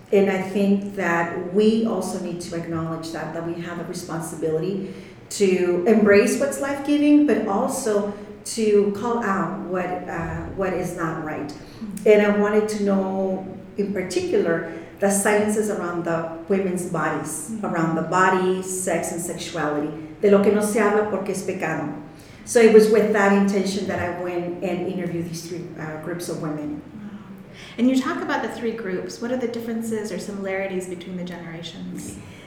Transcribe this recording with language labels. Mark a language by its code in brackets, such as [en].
[en] And I think that we also need to acknowledge that we have a responsibility to embrace what's life-giving, but also to call out what is not right. And I wanted to know, in particular, the silences around the women's bodies, around the body, sex, and sexuality. [es] De lo que no se habla porque es pecado. [en] So it was with that intention that I went and interviewed these three groups of women. And you talk about the three groups. What are the differences or similarities between the generations?